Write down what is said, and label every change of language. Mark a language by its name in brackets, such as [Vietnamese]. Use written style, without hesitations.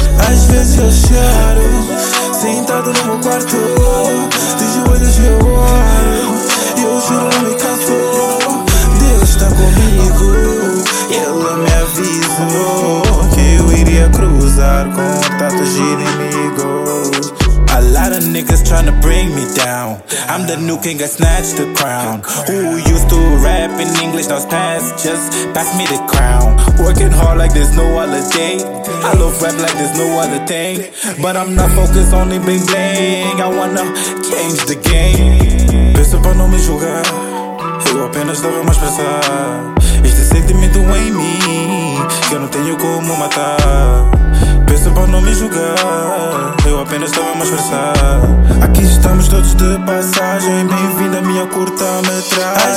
[Portuguese] Às vezes eu choro, sentado no meu quarto, de joelhos eu oro. Eu juro não me canso, Deus está comigo. Ele me avisou que eu iria cruzar com tantos inimigos. [English] A lot of niggas tryna bring me down. I'm the new king, I snatched the crown. Who used to rap in English, now's past, just pass me the crown. Working hard like there's no other day. I love rap like there's no other thing. But I'm not focused on the bling bling. I wanna change the game. [Portuguese] Pensa pra não me julgar. Eu apenas dava mais pensar. Este sentimento em mim, que eu não tenho como matar. Pensa pra não me julgar, eu apenas estava a me expressar. Aqui estamos todos de passagem, bem-vindo à minha curta-metragem.